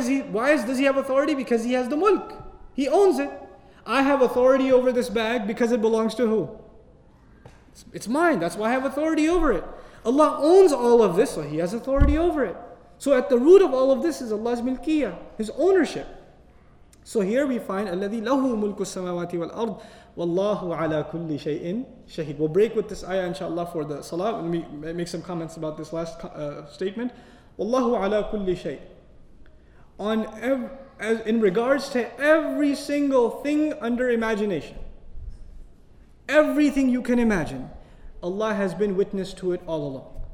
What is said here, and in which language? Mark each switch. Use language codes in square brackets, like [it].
[en] Why does He have authority? Because He has the mulk. He owns it. I have authority over this bag because it belongs to who? It's mine. That's why I have authority over it. Allah owns all of this, so He has authority over it. So at the root of all of this is Allah's milkiya, His ownership. So here we find [ar] الَّذِي لَهُ مُلْكُ السَّمَاوَاتِ وَالْأَرْضِ وَاللَّهُ عَلَى كُلِّ شَيْءٍ شَهِيدٌ. [en] We'll break with this ayah inshaAllah for the salah. Let me make some comments about this last statement. [ar] وَاللَّهُ عَلَى كُلِّ شَيْءٍ. [en] In regards to every single thing under imagination, everything you can imagine, Allah has been witness to it all along.